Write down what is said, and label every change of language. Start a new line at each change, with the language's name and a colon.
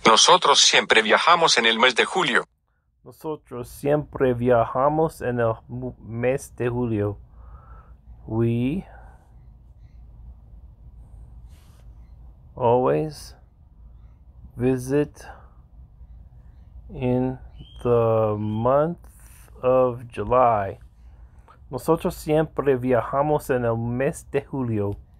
Spanish: Nosotros siempre viajamos en el mes de julio. Nosotros siempre viajamos en el mes de julio.
English: We always visit in the month of July.
Spanish: Nosotros siempre viajamos en el mes de julio.